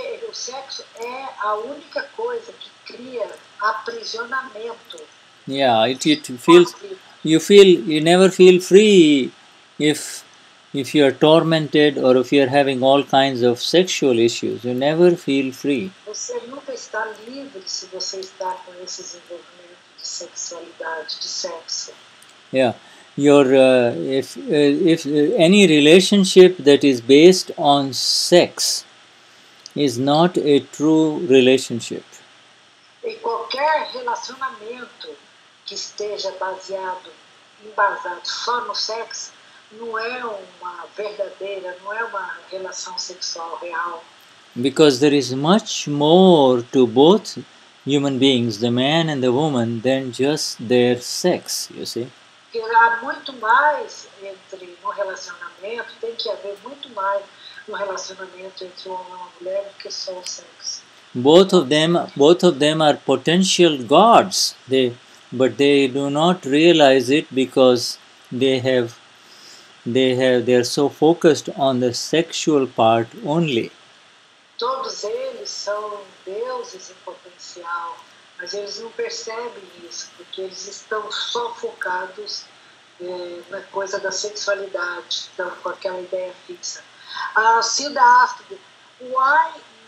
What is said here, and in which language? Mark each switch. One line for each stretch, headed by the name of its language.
Portuguese: O sexo é a única coisa que cria aprisionamento.
English: Yeah, it feels. You never feel free if you are tormented or if you are having all kinds of sexual issues. You never feel free.
Portuguese: Você nunca está livre se você está com esse envolvimento de sexualidade, de sexo.
English: Yeah, if any relationship that is based on sex is not a true relationship.
Portuguese: E qualquer relacionamento que esteja embasado só no sexo, não é uma verdadeira, não é uma relação sexual real.
English: Because there is much more to both human beings, the man and the woman, than just their sex, you see.
Portuguese: Porque há muito mais entre no relacionamento, tem que haver muito mais no relacionamento entre um homem e uma mulher que só o sexo.
English: Both of them are potential gods. But they do not realize it because they are so focused on the sexual part only.
Portuguese: Todos eles são deuses em potencial, mas eles não percebem isso porque eles estão só focados na coisa da sexualidade, então, com aquela ideia fixa.
English: Cida asked, why